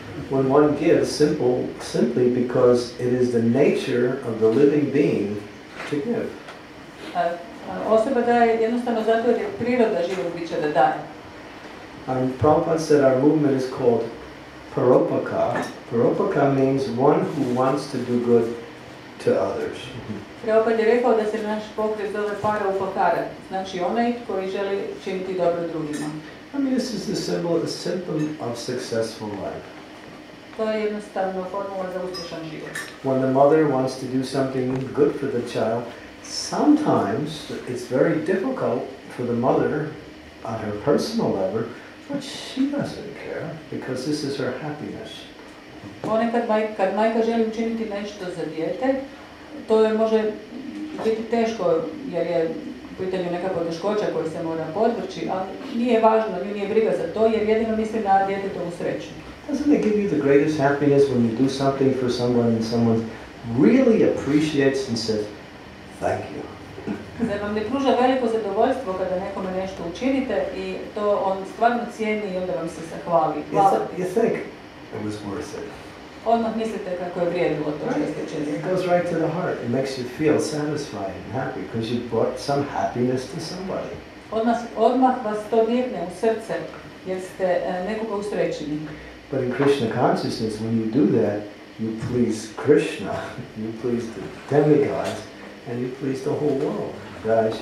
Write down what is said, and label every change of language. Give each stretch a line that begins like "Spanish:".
English: When one gives simply because it is the nature of the living being to give.
Croatian: Osoba daje jednostavno zato jer je priroda živog bića da daje.
English: And Prabhupada said our movement is called Paropaka. Paropaka means one who wants to do good to others.
Croatian: Prabhupada je rekao da se naš pokret zove para upakara, znači onaj koji želi činiti dobro drugima.
English: I mean, this is the symbol, the symptom of successful life.
Croatian: To je jednostavno formula za uspješan život.
English: When the mother wants to do something good for the child, sometimes it's very difficult for the mother on her personal level, but she doesn't care because this is her happiness.
Croatian: Ponekad kad majka želi učiniti nešto za dijete, to je može biti teško jer je u pitanju neka poteškoća koju se mora podvrći, ali nije važno, nije briga za to jer jedino misli na djetetovu sreću.
English: Doesn't it give you the greatest happiness when you do something for someone and someone really appreciates and says, thank you?
Croatian: Zar vam ne pruža veliko zadovoljstvo kada nekome nešto učinite i to on stvarno cijeni i onda vam se zahvali.
English: You think it was worth it.
Croatian: Odmah mislite kako je vrijedilo to što ste činili.
English: It goes right to the heart. It makes you feel satisfied and happy because you brought some happiness to somebody.
Croatian: Odmah vas to dirne u srce jer ste nekoga usrećili.
English: But in Krishna consciousness, when you do that, you please Krishna, you please the demigods, and you please the whole world.